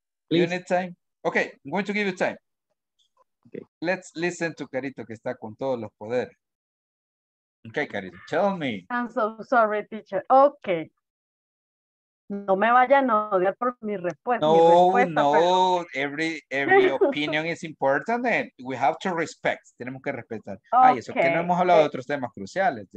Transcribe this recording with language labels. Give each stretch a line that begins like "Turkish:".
English: Please. You need time? Okay. I'm going to give you time. Okay. Let's listen to Carito,
Spanish: que está con todos los poderes.
English: Okay, Carito, tell me. I'm so sorry, teacher. Okay.
Spanish: No me vayan a odiar por mi respuesta. No, mi respuesta, no. Pero...
English: Every opinion is important and we have to respect.
Spanish: Tenemos que respetar. Okay. Ay, eso que no hemos hablado de otros temas cruciales.